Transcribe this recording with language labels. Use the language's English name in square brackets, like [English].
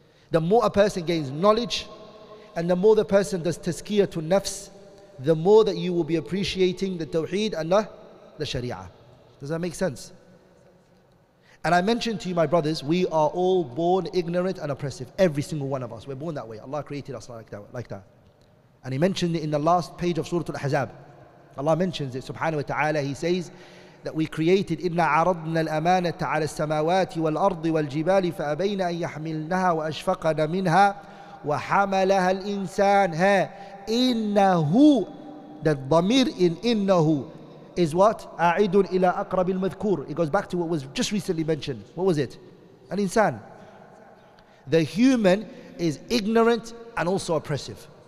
[English] The more a person gains knowledge, and the more the person does tazkiyah to nafs, the more that you will be appreciating the Tawheed and the Sharia. Does that make sense? And I mentioned to you, my brothers, we are all born ignorant and oppressive. Every single one of us. We're born that way. Allah created us like that. And He mentioned it in the last page of Surah Al-Ahzab. Allah mentions it. Subhanahu wa ta'ala, He says that we created, [Arabic] إِنَّا عَرَضْنَا الْأَمَانَةَ عَلَى السَّمَاوَاتِ وَالْأَرْضِ وَالْجِبَالِ فَأَبَيْنَا أَن يَحْمِلْنَهَا وَأَشْفَقَنَا مِنْهَا وَحَمَلَهَا الْإِنسَانَ. [English] إِنَّهُ, the dhamir in إِنَّهُ is what? [Arabic] A'idun ila aqrab al-madhkur. [English] It goes back to what was just recently mentioned. What was it? An insan. The human is ignorant and also oppressive.